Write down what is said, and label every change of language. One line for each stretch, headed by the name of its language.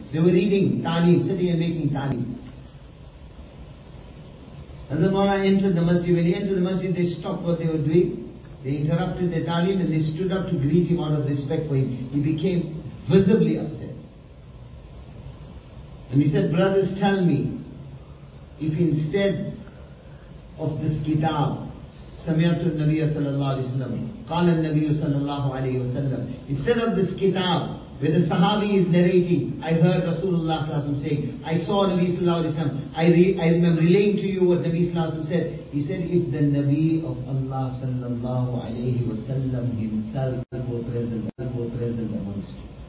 English: They were reading Tali, sitting and making Tali. As the Mawlana entered the masjid, when he entered the masjid, they stopped what they were doing. They interrupted their Tali and they stood up to greet him out of respect for him. He became visibly upset. And he said, brothers, tell me, if instead of this kitab,
Arabic: سَمِعْتُ النَّبِيَ صَلَى اللَّهُ عَلَيْهِ وَسَلَّمُ قَالَ النَّبِيُّ صَلَى اللَّهُ عَلَيْهِ وَسَلَّمُ.
English: Instead of this kitab, where the Sahabi is narrating, I heard Rasulullah صلى الله عليه وسلم saying, I saw Nabi صلى الله عليه وسلم, I am relaying to you what Nabi صلى الله عليه وسلم said. He said, if the Nabi of Allah صلى الله عليه وسلم himself were present amongst you.